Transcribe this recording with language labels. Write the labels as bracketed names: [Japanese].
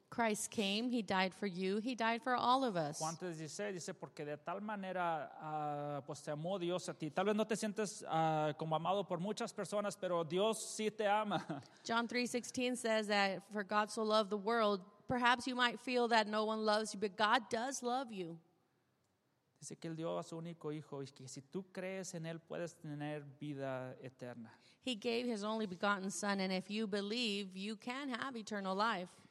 [English] Christ came, he died for you, he died for all of us. [Spanish] Juan 3:16 dice porque de tal manera pues te amó Dios a ti. Tal vez no te sientes como amado por muchas personas, pero Dios sí te ama. [English] John 3:16 says that for God so loved the world. Perhaps you might feel that no one loves you, but God does love you. [Spanish] Dice que él dio a su único hijo y que si tú crees en él puedes tener vida eterna. [English] He gave his only begotten son, and if you believe, you can have eternal life.